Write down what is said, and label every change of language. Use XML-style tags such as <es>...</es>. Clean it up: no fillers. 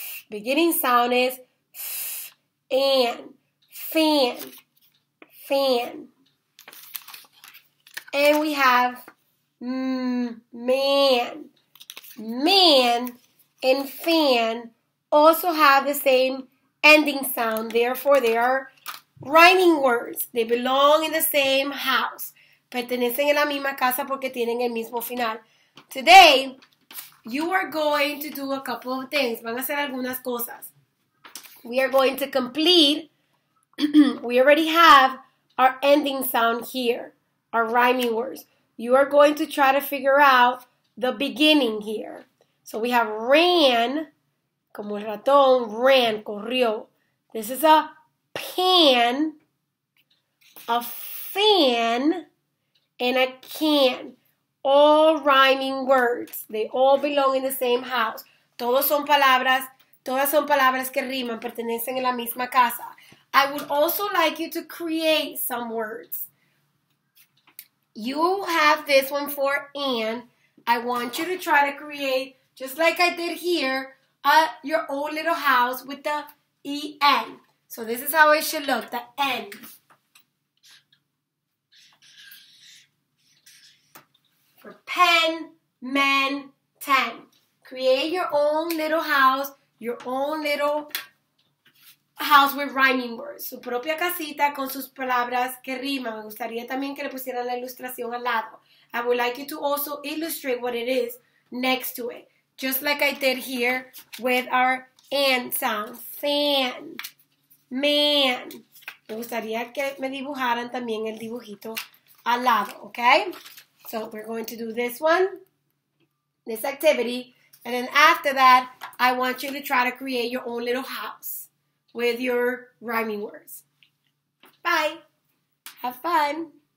<en>Beginning sound is and, fan, fan. And we have man. Man and fan also have the same ending sound. Therefore, they are rhyming words. They belong in the same house.</en> <es>Pertenecen a la misma casa porque tienen el mismo final.</es> <en>Today, you are going to do a couple of things.</en> <es>Van a hacer algunas cosas.</es> <en>We are going to complete. We already have our ending sound here, our rhyming words. You are going to try to figure out the beginning here. So we have ran,</en> <es>como el ratón,</es> <en>ran,</en> <es>corrió.</es> <en>This is a pan, a fan, and a can. All rhyming words. They all belong in the same house.</en> <es>Todas son palabras que riman, pertenecen en la misma casa.</es> <en>I would also like you to create some words. You have this one for an. I want you to try to create, just like I did here, your old little house with the en. So this is how it should look, the en. For pen, men, ten. Create your own little house, your own little house with rhyming words.</en> <es>Su propia casita con sus palabras que riman. Me gustaría también que le pusieran la ilustración al lado.</es> <en>I would like you to also illustrate what it is next to it. Just like I did here with our and sound. Fan. Man.</en> <es>Me gustaría que me dibujaran también el dibujito al lado, okay?</es> <en>So we're going to do this one, this activity, and then after that, I want you to try to create your own little house with your rhyming words. Bye. Have fun.</en>